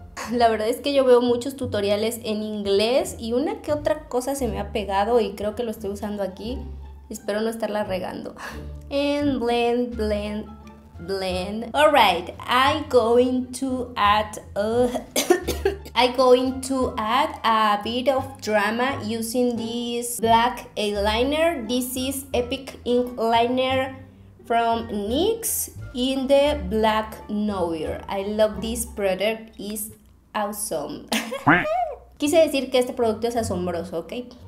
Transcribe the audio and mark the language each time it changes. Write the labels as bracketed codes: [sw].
[es] La verdad es que yo veo muchos tutoriales en inglés y una que otra cosa se me ha pegado y creo que lo estoy usando aquí. Espero no estarla regando. [en] And blend, blend, blend. Alright, I'm going to add a bit of drama using this black eyeliner. This is Epic Ink Liner from NYX in the Black Noir. I love this product, it's awesome. [es] Quise decir que este producto es asombroso, ¿ok?